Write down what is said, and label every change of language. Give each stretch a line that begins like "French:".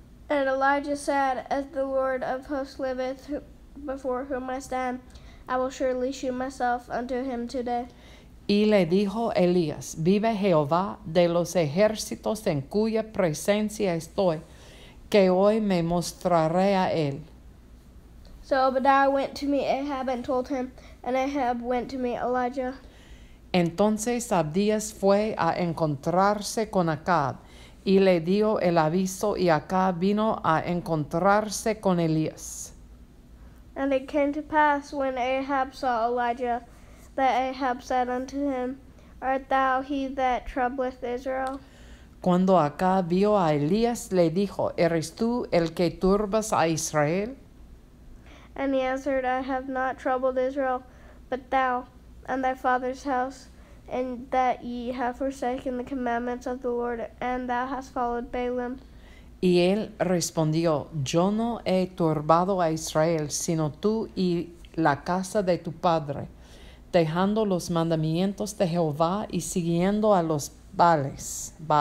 English: And Elijah said, as the Lord of hosts liveth, before whom I stand, I will surely shew myself unto him today.
Spanish: Y le dijo Elías, vive Jehová de los ejércitos en cuya presencia estoy, que hoy me mostraré a él.
English: So Obadiah went to meet Ahab and told him, and Ahab went to meet Elijah.
Spanish: Entonces Abdías fue a encontrarse con Acab, y le dio el aviso, y Acab vino a encontrarse con Elías.
English: And it came to pass when Ahab saw Elijah, that Ahab said unto him, art thou he that troubleth Israel?
Spanish: Cuando Acab vio a Elías, le dijo, ¿eres tú el que turbas a Israel?
English: And he answered, I have not troubled Israel, but thou and thy father's house, in that ye have forsaken the commandments of the Lord, and thou hast followed Balaam.
Spanish: Y él respondió, yo no he turbado a Israel, sino tú y la casa de tu padre, dejando los mandamientos de Jehová y siguiendo a los Baales.